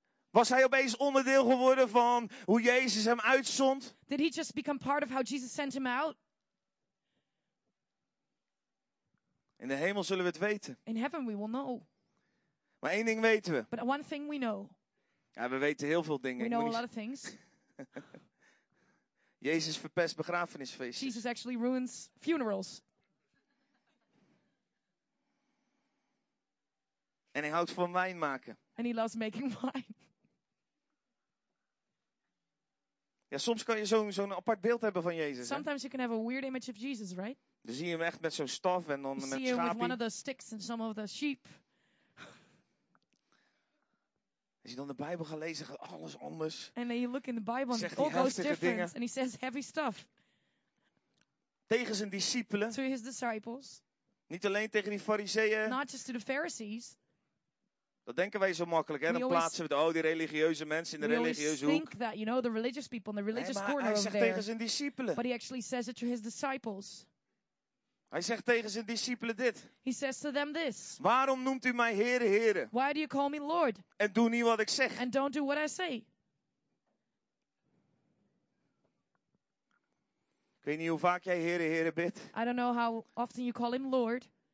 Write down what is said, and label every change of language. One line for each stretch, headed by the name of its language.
Dutch: Was hij opeens onderdeel geworden van hoe Jezus hem uitzond?
English: Did he just become part of how Jesus sent him out?
Dutch: In de hemel zullen we het weten.
English: In heaven we will know.
Dutch: Maar één ding weten we.
English: But one thing we know.
Dutch: Ja, we weten heel veel dingen.
English: We know a lot of things.
Dutch: Jezus verpest begrafenisfeestjes.
English: Jesus actually ruins funerals.
Dutch: En hij houdt van wijn maken.
English: And he loves making wine.
Dutch: Ja, soms kan je zo'n apart beeld hebben van Jezus.
English: Sometimes you can have a weird image of Jesus, right?
Dutch: Dan zie je hem echt met zo'n staf en dan
English: you
Dutch: met schapen.
English: With one of the sticks and some of the sheep.
Dutch: Als je dan de Bijbel gaat lezen, gaat alles anders.
English: And then you look in the Bible and all goes different. And he says heavy stuff.
Dutch: Tegen zijn discipelen.
English: To his disciples.
Dutch: Niet alleen tegen die farizeeën.
English: Not just to the Pharisees.
Dutch: Dat denken wij zo makkelijk, hè? Dan plaatsen we de die religieuze mensen in de religieuze hoek.
English: We always think that, you know, the religious people in the religious
Dutch: nee, maar
English: corner
Dutch: hij zegt
English: over there.
Dutch: Tegen zijn discipelen.
English: But he actually says it to his disciples.
Dutch: Hij zegt tegen zijn discipelen dit.
English: He says to them this.
Dutch: Waarom noemt u mij Heere, Heere?
English: Why do you call me Lord?
Dutch: En doe niet wat ik zeg.
English: And don't do what I say.
Dutch: Ik weet niet hoe vaak jij Heere, Heere bidt.
English: I don't know how often you call him Lord.